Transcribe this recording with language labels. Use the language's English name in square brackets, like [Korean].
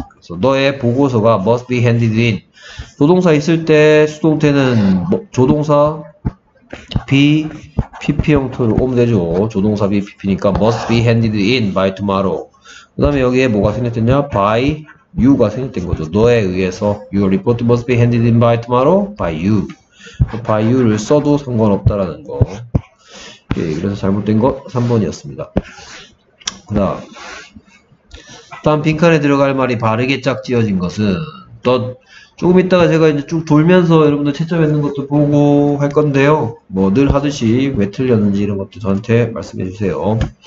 [Korean] 그래서 너의 보고서가 [English] must be handed in. [Korean] 조동사 있을 때 수동태는 조동사 be pp형태로 오면 되죠. [English] 조동사 be pp니까 must be handed in by tomorrow. [Korean] 그 다음에 여기에 뭐가 생겼냐? by you가 생겼던 거죠. 너에 의해서 [English] your report must be handed in by tomorrow by you. [Korean] by you를 써도 상관없다라는 거. 예, 그래서 잘못된 거 3번이었습니다. 그 다음 빈칸에 들어갈 말이 바르게 짝지어진 것은 또 조금 있다가 제가 이제 쭉 돌면서 여러분들 채점했는 것도 보고 할 건데요. 뭐 늘 하듯이 왜 틀렸는지 이런 것도 저한테 말씀해 주세요.